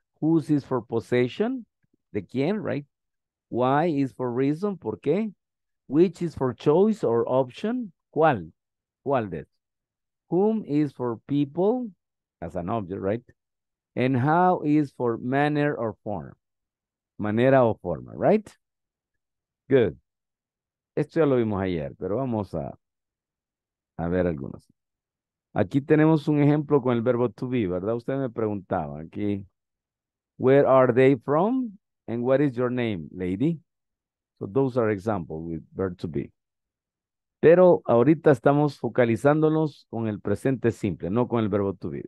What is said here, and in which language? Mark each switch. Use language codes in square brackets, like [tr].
[en] Whose is for possession, the quien, right? Why is for reason, [es] por qué? [en] Which is for choice or option, [es] cuál, cuál de. [en] Whom is for people, as an object, right? And how is for manner or form, [es] manera o forma, [en] right? Good. [es] Esto ya lo vimos ayer, pero vamos a ver algunos. Aquí tenemos un ejemplo con el verbo to be, ¿verdad? Usted me preguntaba aquí, [en] where are they from? And what is your name, lady? So those are examples with verb to be. [es] Pero ahorita estamos focalizándonos con el presente simple, no con el verbo to be.